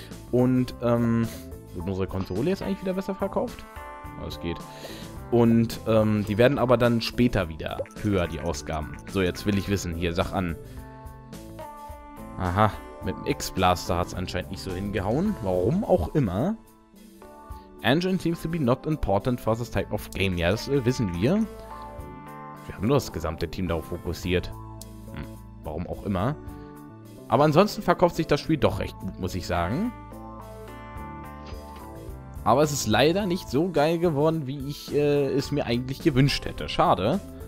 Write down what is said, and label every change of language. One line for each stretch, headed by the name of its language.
German: Und, wird unsere Konsole jetzt eigentlich wieder besser verkauft? Oh, es geht. Und, die werden aber dann später wieder höher, die Ausgaben. So, jetzt will ich wissen, hier, sag an. Aha, mit dem X-Blaster hat es anscheinend nicht so hingehauen. Warum auch immer.
English: Engine seems to be not important for this type of game.
German: Ja, das wissen wir. Wir haben nur das gesamte Team darauf fokussiert. Warum auch immer. Aber ansonsten verkauft sich das Spiel doch recht gut, muss ich sagen. Aber es ist leider nicht so geil geworden, wie ich es mir eigentlich gewünscht hätte. Schade.